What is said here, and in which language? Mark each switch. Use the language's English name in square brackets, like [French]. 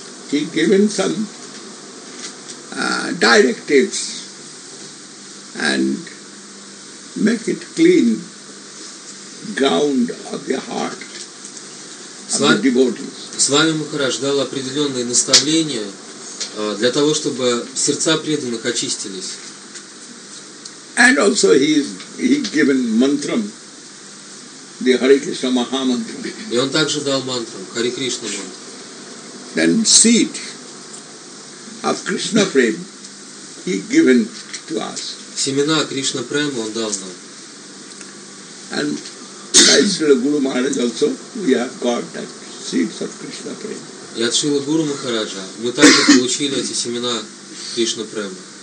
[English] He given some directives and make it clean ground of the heart of the devotees. [Russian] Свами Махарадж дал определенные наставления для того, чтобы сердца преданных очистились. [English] And also he given mantram, the Hare Krishna Maha mantra. [Russian] И он также дал мантру Hare Krishna mantra. [English] Then seed of Krishna prema he given to us. [Russian] Семена Кришна премы он дал нам. [English] And by Srila Guru Maharaj also we have got that seeds of Krishna prema. [Russian] И от Шрилы Гуру Махараджа мы также получили эти семена Кришна премы.